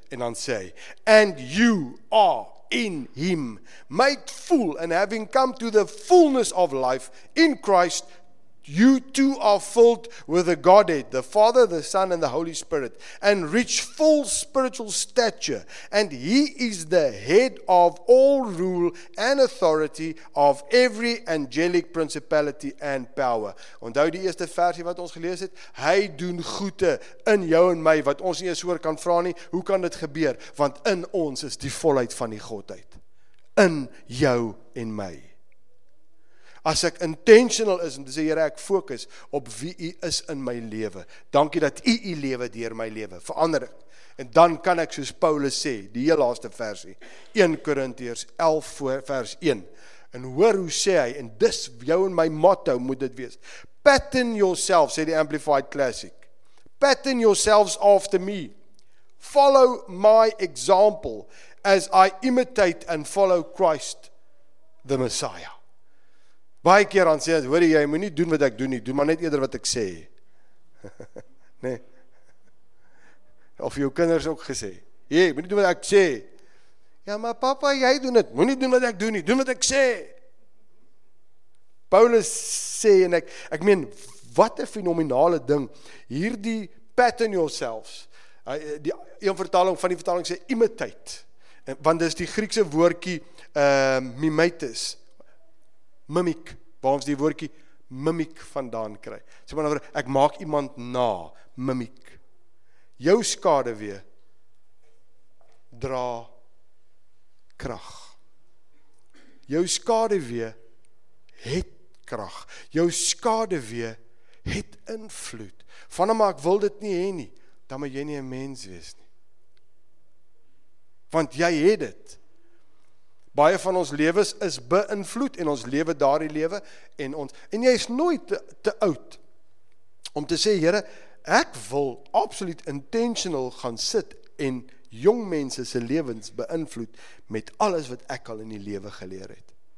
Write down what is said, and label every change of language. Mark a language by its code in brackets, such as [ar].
[af] En dan sê, [en] and you are in him, made full and having come to the fullness of life in Christ, you too are filled with the Godhead, the Father, the Son, and the Holy Spirit, and reach full spiritual stature. And he is the head of all rule and authority of every angelic principality and power. [af] Onthou die eerste versie wat ons gelees het? Hy doen goeie in jou en my, wat ons nie eens hoor kan vra nie. Hoe kan dit gebeur? Want in ons is die volheid van die Godheid. In jou en my. As ek intentional is, en te sê, Here, ek fokus op wie u is in my lewe. Dankie dat u lewe deur my lewe verander. En dan kan ek soos Paulus sê, die heel laaste versie, 1 Korintiërs 11 vers 1. En hoor hoe sê hy, en dis jou en my motto moet dit wees. [en] Pattern yourself, [af] sê die [en] Amplified Classic. Pattern yourselves after me. Follow my example as I imitate and follow Christ the Messiah. [af] Baie keer aan sê, hoor jy, moet nie doen wat ek doen nie, doe maar net eerder wat ek sê. Nee. Of jou kinders ook gesê, jy, moet nie doen wat ek sê. Ja, maar papa, jy doen het, moet nie doen wat ek doen nie, doen wat ek sê. Paulus sê, en ek meen, wat 'n fenomenale ding, hierdie [en] pattern yourselves, [af] die een vertaling van die vertaling sê, imitate, want dit is die Griekse woordkie, mimetis, mimiek, waar ons die woordkie mimiek vandaan kry. Sê maar nou, ek maak iemand na, mimiek. Jou Skaduwee dra krag. Jou skaduwee het krag. Jou skaduwee het invloed. Vanne, maar ek wil dit nie hê nie, dan moet jy nie 'n mens wees nie. Want jy het dit. Baie van ons lewens is beïnvloed en ons lewe daardie lewe en ons. En jy is nooit te oud om te sê, Here, ek wil absoluut intentional gaan sit en jong mense se lewens beïnvloed met alles wat ek al in die lewe geleer het.